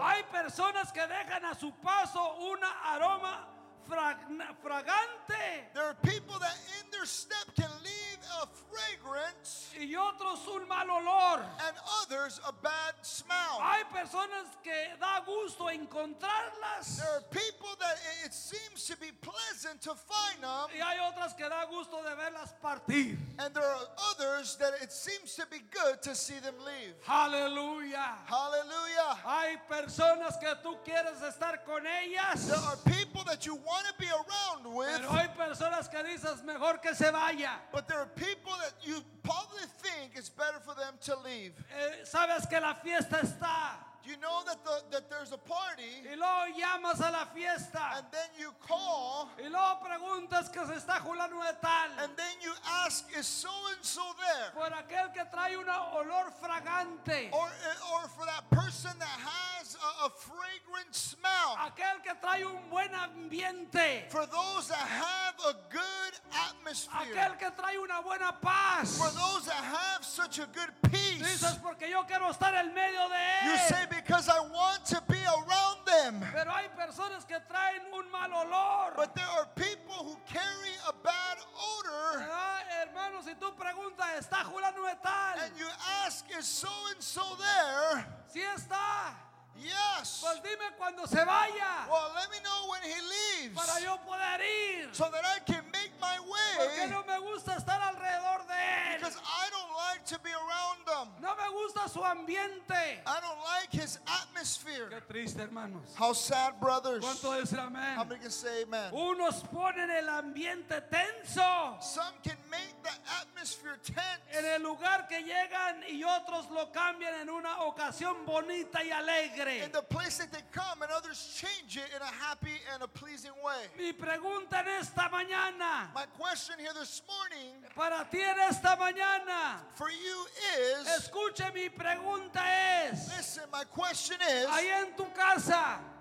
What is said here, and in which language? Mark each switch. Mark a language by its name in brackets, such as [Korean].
[Spanish] Hay personas que dejan a su paso una aroma fragante. [English] There are people that in their step can leave a fragrance. [Spanish] Y otros un mal olor. [English] And others a bad smell. [Spanish] Hay personas que da gusto encontrarlas. [English] There are people that it seems to be pleasant to find them. [Spanish] Y hay otras que da gusto de verlas partir. [English] And there are others that it seems to be good to see them leave. [Spanish] Hallelujah. [English] Hallelujah. [Spanish] Hay personas que tú quieres estar con ellas. [English] There are people people that you want to be around with. [Spanish] Pero hay personas que dices mejor que se vaya. [English] But there are people that you probably think it's better for them to leave. [Spanish] Sabes que la fiesta está. [English] You know that that there's a party. [Spanish] Y luego llamas a la fiesta. [English] And then you call. [Spanish] Y luego preguntas que se está jugando de tal. [English] And then you ask, is so and so there? [Spanish] Por aquel que trae un olor fragante. [English] Or for that person that has a fragrant smell. [Spanish] Aquel que trae un buen ambiente. [English] For those that have a good atmosphere. [Spanish] Aquel que trae una buena paz. [English] For those that have such a good peace. [Spanish] Dices porque yo quiero estar en medio de él. [English] You say, because I want to be around them. [Spanish] Pero hay personas que traen un mal olor. [English] But there are people who carry a bad odor. [Spanish] Hermano, si tú preguntas, ¿está Julano tal? [English] And you ask, is so and so there? [Spanish] Sí está. [English] Yes. [Spanish] Pues dime cuando se vaya. [English] Well, let me know when he leaves. [Spanish] Para yo poder ir. [English] So that I can make my way. [Spanish] Porque no me gusta estar alrededor de él. [English] Because I don't like to be around them. [Spanish] No me gusta su ambiente. [English] I don't like his atmosphere. [Spanish] Qué triste, hermanos. [English] How sad, brothers. [Spanish] ¿Cuánto dicen amén? [English] How many can say amen? [Spanish] Unos ponen el ambiente tenso. [English] Some can make the atmosphere tense. [Spanish] En el lugar que llegan y otros lo cambian en una ocasión bonita y alegre. [English] In the place that they come, and others change it in a happy and a pleasing way. [Spanish] Mi pregunta en esta mañana, [English] my question here this morning, [Spanish] para ti en esta mañana, [English] for you is, [Spanish] escuche, mi pregunta es, [English] listen, my question is, [Spanish] ahí en tu casa,